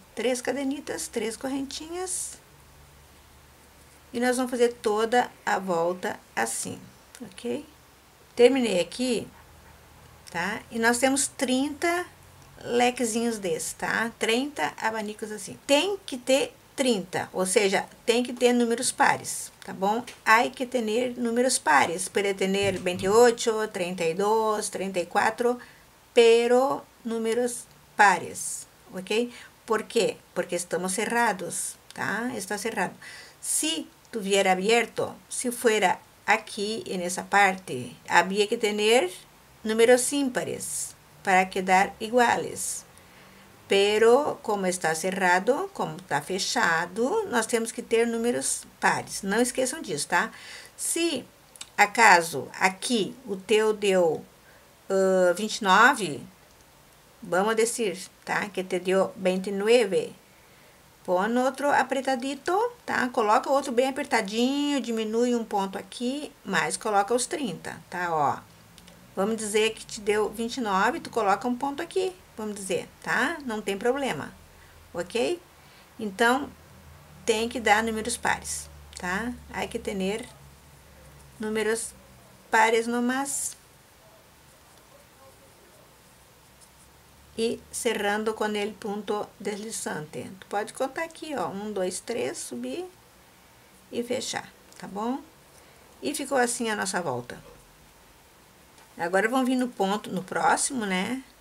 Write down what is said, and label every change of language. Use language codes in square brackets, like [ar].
[pt] Três cadenitas, três correntinhas. E nós vamos fazer toda a volta assim, ok? Terminei aqui, tá? E nós temos 30 lequezinhos desses, tá? 30 abanicos assim. Tem que ter 30, ou seja, tem que ter números pares, tá bom? [es] Hay que tener números pares. Puede tener 28, 32, 34, pero números pares, ok? Por quê? Porque estamos cerrados, tá? Está cerrado. Se tuviera abierto, si fuera aquí en esa parte, había que tener números ímpares para quedar iguales. Pero como está cerrado, [pt] como está fechado, nós temos que ter números pares. Não esqueçam disso, tá? Se acaso aqui o teu deu 29, vamos dizer, tá? Que te deu 29. Põe outro apertadito, tá? Coloca o outro bem apertadinho, diminui um ponto aqui, mas coloca os 30, tá? Ó, vamos dizer que te deu 29, tu coloca um ponto aqui, vamos dizer, tá? Não tem problema, ok? Então, tem que dar números pares, tá? [es] Hay que tener números pares nomás. [pt] E cerrando com ele ponto deslizante. Tu pode contar aqui, ó. Um, dois, três, subir e fechar, tá bom? E ficou assim a nossa volta. Agora vão vir no ponto, no próximo, né?